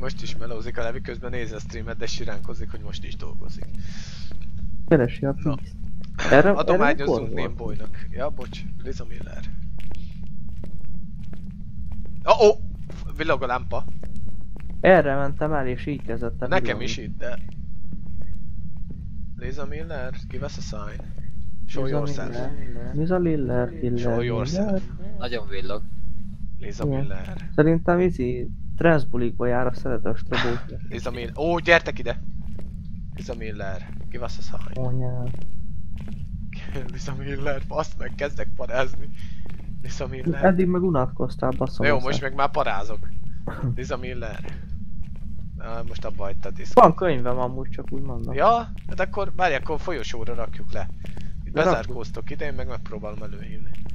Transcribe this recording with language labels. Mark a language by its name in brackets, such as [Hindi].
[Hungarian] Most is melózik a Levi, közben nézi a streamet, de siránkozik, hogy most is dolgozik. Keresi a pénzt. Adományozunk Nameboynak. Ja, bocs, Liza Miller. Villog a lámpa. Erre mentem el, és így kezdett el. Nekem is itt, de... [English] Liza Miller, give us a sign. Show yourself. Liza Miller, Killer. Show yourself. [Hungarian] Nagyon villog. Liza Miller. Szerintem izi transbulikba jár a szeretős strobót. Liza Miller. Ó, gyertek ide! [English] Liza Miller, give us a sign. [Hungarian] Anyám. Liza Miller, baszd meg, kezdek parázni. Liza Miller. Eddig meg unatkoztál, baszom. De jó, most meg már parázok. Liza Miller. Na, most abba hagyta a diszkot. Van könyvem amúgy, csak úgy mondom. Ja? Hát akkor, várj, akkor folyosóra rakjuk le. Itt bezárkóztok ide, én meg megpróbálom előhívni.